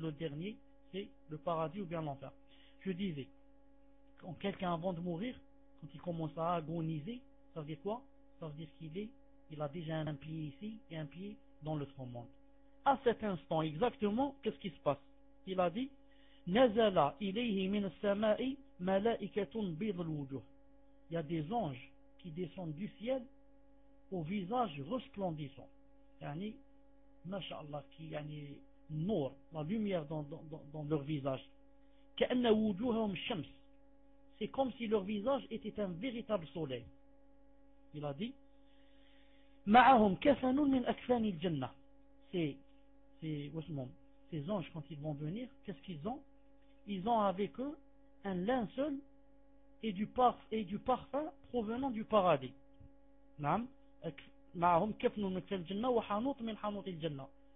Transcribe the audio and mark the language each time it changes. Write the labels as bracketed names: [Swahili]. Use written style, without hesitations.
[French] Le dernier, c'est le paradis ou bien l'enfer. Je disais, quand quelqu'un avant de mourir, quand il commence à agoniser, ça veut dire quoi? Ça veut dire qu'il a déjà un pied ici et un pied dans l'autre monde. À cet instant, exactement, qu'est-ce qui se passe? Il a dit, [Arabic] نزل إليه من السماء ملائكة بيض الوجوه. [French] Il y a des anges qui descendent du ciel au visage resplendissant. Yani, mashallah, qui yani nour, la lumière dans leur visage. [Arabic] كأن وجوههم شمس. [French] C'est comme si leur visage était un véritable soleil. Il a dit, [Arabic] معهم كفن من أكفان الجنة. [French] Ces anges, quand ils vont venir, qu'est-ce qu'ils ont? Ils ont avec eux un linceul et du parfum provenant du paradis. [Arabic] Naam, ma'hum kafnun min al-jannah wa hanut min hanut al-jannah.